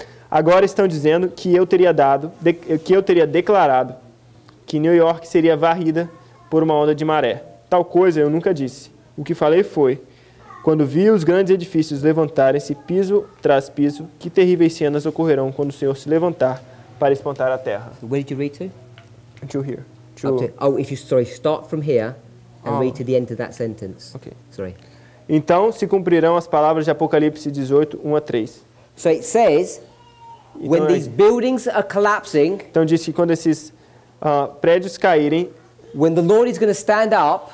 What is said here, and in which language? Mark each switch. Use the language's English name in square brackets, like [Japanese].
[Portuguese] Agora estão dizendo que eu teria declarado que New York seria varrida por uma onda de maré. Tal coisa eu nunca disse. O que falei foi, quando vi os grandes edifícios levantarem-se piso tras piso, que terríveis cenas ocorrerão quando o Senhor se levantar para espantar a terra. [English] Where did you read to? To here. Start from here and read to the end of that sentence. Okay. Sorry. [Portuguese] Então se cumprirão as palavras de Apocalipse 18, 1 a 3. [English] So it says, então, when these buildings are collapsing, [Portuguese] então diz que quando esses prédios caírem, [English] when the Lord is going to stand up,